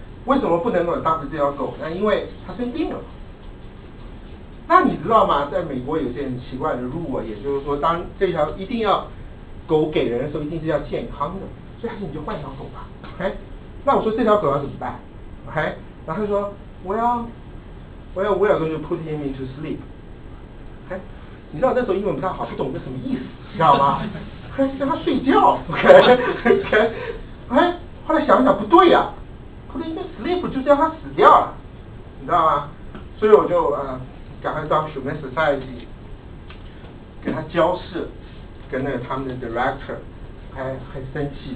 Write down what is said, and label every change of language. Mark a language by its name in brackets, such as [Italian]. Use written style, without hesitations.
[Chinese] 为什么不能够adopt这条狗呢？因为它生病了。那你知道吗，在美国有些很奇怪的路啊，也就是说当这条一定要狗给人的时候，一定是要健康的，所以还是你就换一条狗吧。 OK，那我说这条狗要怎么办？ [English] OK， [Chinese] 然后他说 [English] We are going to put him into sleep。 [Chinese] OK， 你知道那时候英文不太好，不懂这什么意思，知道吗？让他睡觉。 OK， 后来想想不对啊， [English] put him into sleep [Chinese] 就是要他死掉了，你知道吗？所以我就赶快到 Human Society 给他交涉，跟那个他们的 director 还很生气。